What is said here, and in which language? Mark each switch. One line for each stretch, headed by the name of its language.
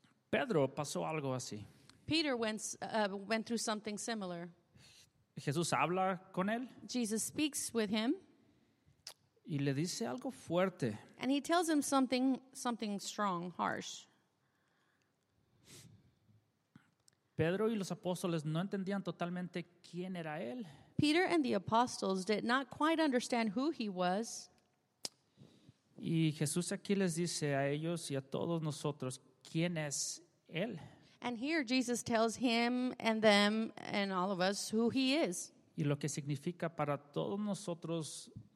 Spanish: Pedro pasó algo así.
English: Peter went through something similar.
Spanish: Jesús habla con él.
English: Jesus speaks with him.
Spanish: Y le dice algo fuerte.
English: And he tells him something strong, harsh.
Spanish: Pedro y los apóstoles no entendían totalmente quién era él.
English: Peter and the apostles did not quite understand who he was.
Spanish: Y Jesús aquí les dice a ellos y a todos nosotros quién es él.
English: And here Jesus tells him and them and all of us who he is.
Spanish: Y lo que significa para todos nosotros